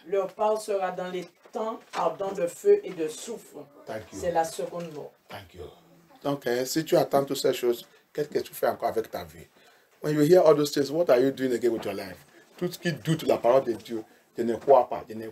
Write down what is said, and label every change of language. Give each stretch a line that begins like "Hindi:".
French: Leur part sera dans les temps ardents de feu et de soufre.
English: Thank you.
French: C'est la seconde mort.
English: Thank you.
French: Donc, si tu attends toutes ces choses, qu'est-ce que tu fais encore avec ta vie?
English: When you hear all those things, what are you doing again with your life?
French: Tout ce qui doute la parole de Dieu, je ne crois pas.